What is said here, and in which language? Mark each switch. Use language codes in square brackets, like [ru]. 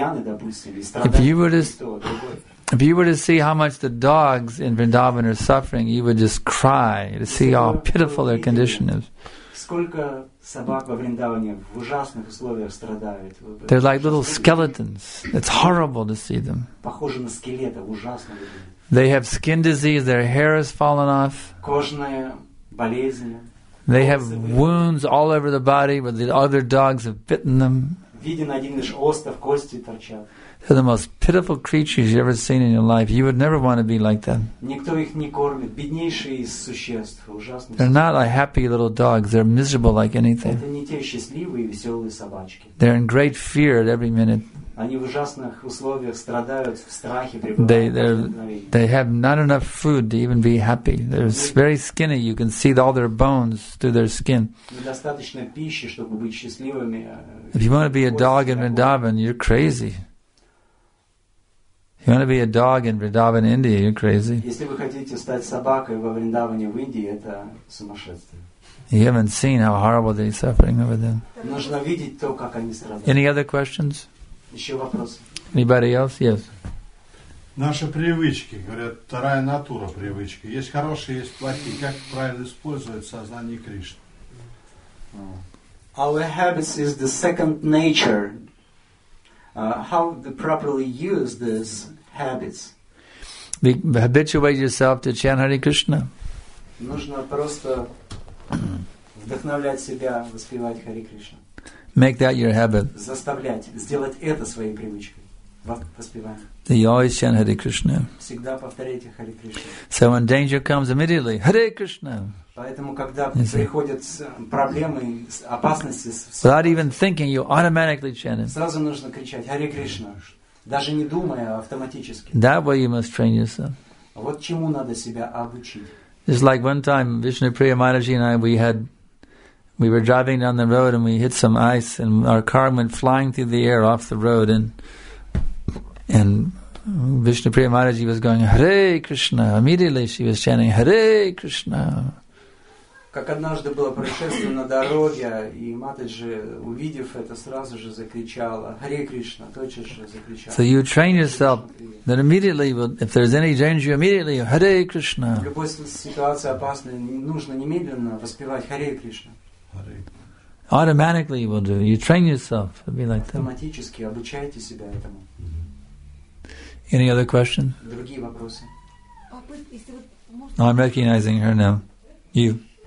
[en] If you were to see how much the dogs in Vrindavan are suffering, you would just cry to see how pitiful their condition is. [ru] Сколько собак во Вриндаване в ужасных условиях страдают. [en] They're like little skeletons. It's horrible to see them. [ru] Похожи на скелета, ужасно. [en] They have skin disease, their hair has fallen off. [ru] Кожные болезни. [en] They have wounds all over the body where the other dogs have bitten them. [ru] Виден один лишь остов, кости торчат. [en] They're the most pitiful creatures you've ever seen in your life. You would never want to be like them. [ru] Никто их не кормит. Беднейшие из существ, ужасные. [en] They're not like happy little dogs. They're miserable like anything. [ru] Это не те счастливые и веселые собачки. [en] They're in great fear at every minute. [ru] Они в ужасных условиях страдают, в страхе пребывают. [en] They have not enough food to even be happy. They're very skinny. You can see all their bones through their skin. [ru] Недостаточно пищи, чтобы быть счастливыми. [en] If you want to be a dog in Vrindavan, you're crazy. You want to be a dog in Vrindavan, India, you're crazy. [ru] Если вы хотите стать собакой во Вриндаване в Индии, это сумасшествие. [en] You haven't seen how horrible they're suffering over there. [ru] Нужно видеть то, как они страдают. [en] Any other questions? [ru] Еще вопросы. [en] Anybody else? Yes. [ru] Наши привычки, говорят, вторая натура привычки. Есть хорошие, есть плохие. Как правильно использовать сознание Кришны? [en] Our habits is the second nature. How to properly use these habits? Habituate yourself to chant Hare Krishna. [ru] Нужно просто вдохновлять себя воспевать Hare Krishna. [en] Make that your habit. [ru] Заставлять, сделать это своей привычкой. Воспевать. [en] You always chant Hare Krishna. [ru] Всегда повторяйте Hare Krishna. [en] So when danger comes immediately, Hare Krishna. [ru] Поэтому, когда приходят проблемы, опасности, [en] without even thinking, you automatically chant it. [ru] Сразу нужно кричать Hare Krishna, даже не думая, автоматически. [en] That way you must train yourself. [ru] Вот чему надо себя обучить. [en] It's like one time Vishnupriya Maharaji and I, we were driving down the road and we hit some ice and our car went flying through the air off the road and Vishnupriya Maharaji was going Hare Krishna. Immediately she was chanting Hare Krishna. [ru] Как однажды было происшествие на дороге, и Матаджи, увидев это, сразу же закричала Hare Krishna, тотчас же закричала. [en] So you train yourself that immediately, if there's any danger, immediately Hare Krishna. [ru] В любой ситуации опасной нужно немедленно воспевать Hare Krishna. [en] Automatically you will do. You train yourself to be like that. [ru] Автоматически обучайте себя этому. [en] Any other questions? [ru] Другие вопросы. [en] I'm recognizing her now. You.